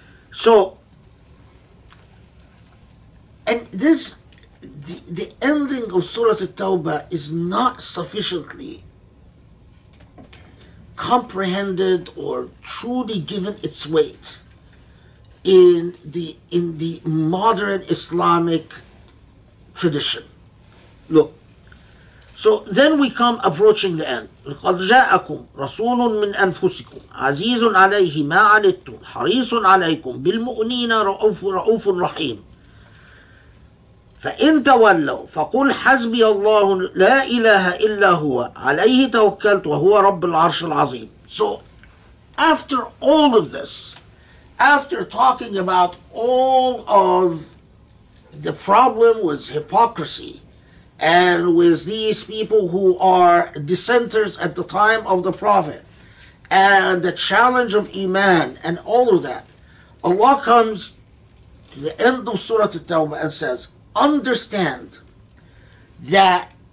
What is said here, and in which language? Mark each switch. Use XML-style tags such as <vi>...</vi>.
<en>So, and this, the ending of Surah At-Tawbah is not sufficiently comprehended or truly given its weight in the modern Islamic tradition. Look, so then we come approaching the end.</en> <ar>لقد جاءكم رسول من أنفسكم عزيز عليه ما عنتم حريص عليكم بالمؤمنين رؤوف رحيم فإن تولوا فقل حسبي الله لا إله إلا هو عليه توكلت وهو رب العرش العظيم.</ar> <en>So after all of this, after talking about all of the problem with hypocrisy and with these people who are dissenters at the time of the Prophet and the challenge of Iman and all of that, Allah comes to the end of Surah At-Tawbah and says, understand that</en>